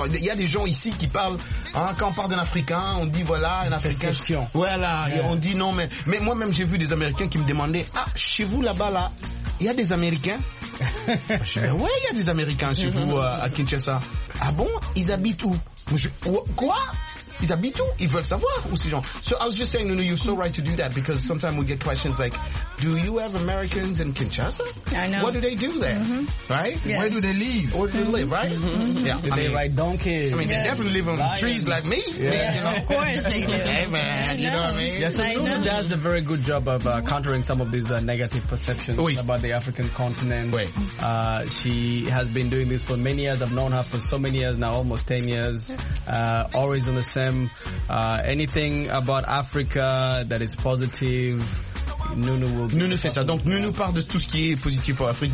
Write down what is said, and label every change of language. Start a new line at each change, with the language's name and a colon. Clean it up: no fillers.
French: Il y a des gens ici qui parlent, hein, quand on parle d'un Africain, on dit voilà, un Africain. Perception. Voilà, et on dit non mais moi-même j'ai vu des Américains qui me demandaient "Ah, chez vous là-bas là, il y a des Américains ?" Ouais, il y a des Américains chez vous à Kinshasa. Ah bon, ils habitent où? Quoi? Ils habitent où? Ils veulent savoir où ces gens.
English: So I was just saying, Nounou, you're so right to do that because sometimes we get questions like, do you have Americans in Kinshasa? I know. What do they do there? Mm-hmm. Right? Yes. Where do they live? Where do they live, right? Mm-hmm. Yeah. Do they ride donkeys? I mean, they definitely live on trees like me. Yeah. You know? Of course they do. Hey, man. You know what I mean? Yeah, so Nounou does a very good job of countering some of these negative perceptions about the African continent. Wait. She has been doing this for many years. I've known her for so many years now, almost 10 years. Always on the same. Anything about Africa that is positive, Nounou will be.
French: Nounou fait ça. Donc Nounou part de tout ce qui est positif pour l'Afrique.